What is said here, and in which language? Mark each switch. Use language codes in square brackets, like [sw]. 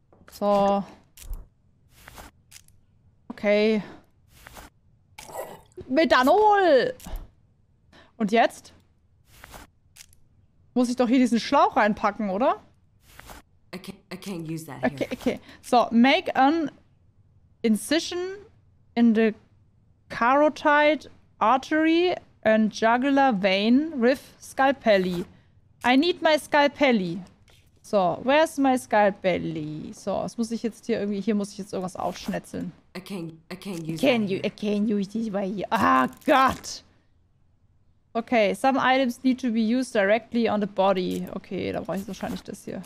[de] So. Okay. Methanol! Und jetzt? Muss ich doch hier diesen Schlauch reinpacken, oder? [en] I can't use that here. Okay, okay. So, make an incision in the carotid artery and jugular vein with scalpelli. I need my scalpelli. So, where's my scalpelli? [de] So, das muss ich jetzt hier irgendwie, hier muss ich jetzt irgendwas aufschnetzeln. [en] I can't use this right here. Ah, Gott! Okay, some items need to be used directly on the body. [de] Okay, da brauche ich wahrscheinlich das hier.